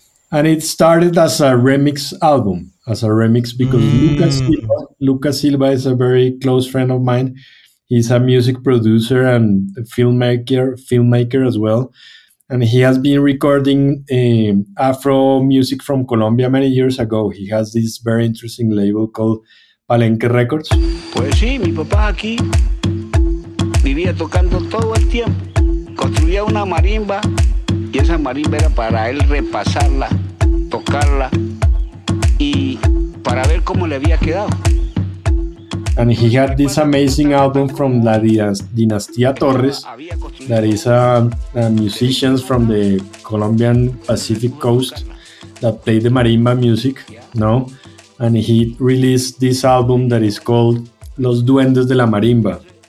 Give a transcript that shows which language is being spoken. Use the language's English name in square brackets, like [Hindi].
[English] And it started as a remix album, as a remix, because Lucas Silva is a very close friend of mine. He's a music producer and filmmaker as well. And he has been recording Afro music from Colombia many years ago. He has this very interesting label called Palenque Records. [Spanish] Pues sí, mi papá aquí vivía tocando todo el tiempo. Construía una marimba y esa marimba era para él repasarla, tocarla y para ver cómo le había quedado. [English] And he had this amazing album from La Dinastía Torres, that is a musician from the Colombian Pacific Coast that played the marimba music, no? And he released this album that is called Los Duendes de la Marimba.